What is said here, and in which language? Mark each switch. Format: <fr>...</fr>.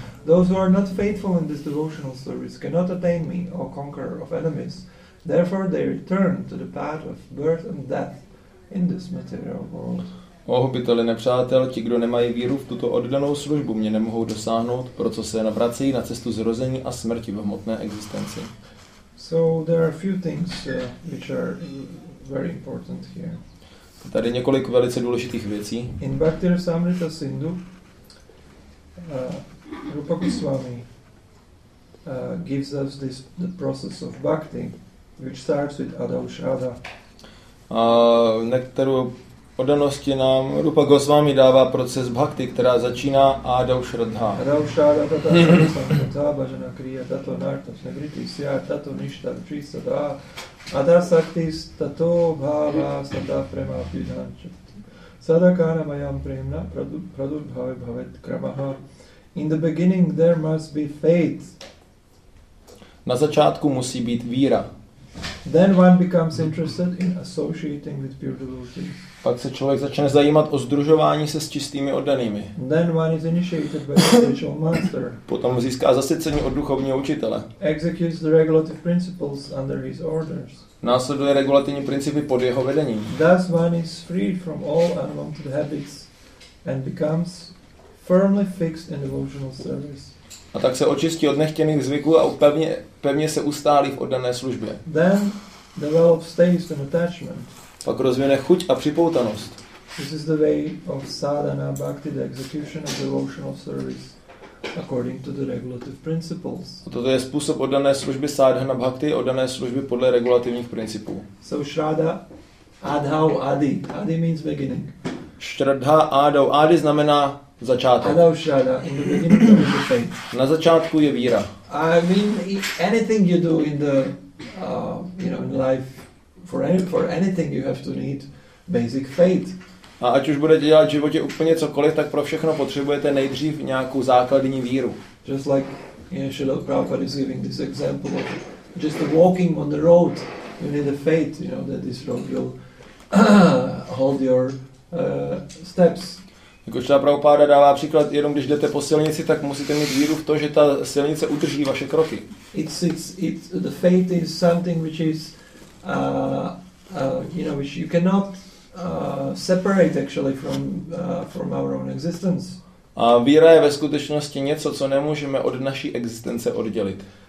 <en>Those who are not faithful in this devotional service cannot attain me, O conqueror of enemies. Therefore they return to the path of birth and death in this material world.</en> <cs>O hobiteli nepřátel, ti, kdo nemají víru v tuto oddanou službu, mě nemohou dosáhnout, proto se navracejí na cestu zrození a smrti v hmotné existenci.</cs> <en>So there are a few things which are very important here.</en> <cs>Tady několik velice důležitých věcí.</cs> <en>In Bhakti Rasamrita Sindhu, Rupa Goswami gives us this the process of bhakti, which starts with adaushada.</en> <cs>Nektaru oddanosti nám Rupa Goswami dává proces bhakti, která začíná adaushradha.</cs> <sa>Adaushada tata sarasamrita bhajana kriya tato narta snevriti siya tato nishta vichisa dha adasakti stato bhava sada prema pidhanchat sada kana mayam premna pradur bhave bhavet kramaha.</sa> <en>In the beginning there must be faith.</en> <cs>Na začátku musí být víra.</cs> <en>Then one becomes interested in associating with pure devotees.</en> <cs>Pak se člověk začne zajímat o sdružování se s čistými oddanými.</cs> <en>Then one is initiated by the spiritual master.</en> <cs>Potom získá zasvěcení od duchovního učitele.</cs> <en>Executes the regulative principles under his orders.</en> <cs>Následuje regulativní principy pod jeho vedením.</cs> <en>Thus one is freed from all unwanted habits and becomes firmly fixed in devotional service.</en> <cs>A tak se očistí od nechtěných zvyků a pevně se ustálí v oddané službě.</cs> <en>Then develops taste and attachment.</en> <cs>Pak rozvine chuť a připoutanost.</cs> <en>This is the way of sadhana bhakti, the execution of devotional service according to the regulative principles.</en> <cs>Toto je způsob oddané služby sadhana bhakti, oddané služby podle regulativních principů.</cs> <en>So shraddha adhau adi. Adi means beginning.</en> <cs>Shraddha adhau adi znamená začátek.</cs> <en>Adaushada, in the beginning of the faith.</en> <cs>Na začátku je víra.</cs> <en>I mean, anything you do in the, you know, in life, for anything you have to need basic faith.</en> <cs>A ať už budete dělat v životě úplně cokoliv, tak pro všechno potřebujete nejdřív nějakou základní víru.</cs> <en>Just like, you know, Srila Prabhupada is giving this example of just walking on the road, you need a faith, you know, that this road will hold your steps.</en> <cs>Jako Srila Prabhupada dává příklad, jenom když jdete po silnici, tak musíte mít víru v to, že ta silnice udrží vaše kroky.</cs> <en>It's the faith is something which is you know, which you cannot separate actually from our own existence.</en> <cs>A víra je ve skutečnosti něco, co nemůžeme od naší existence oddělit.</cs>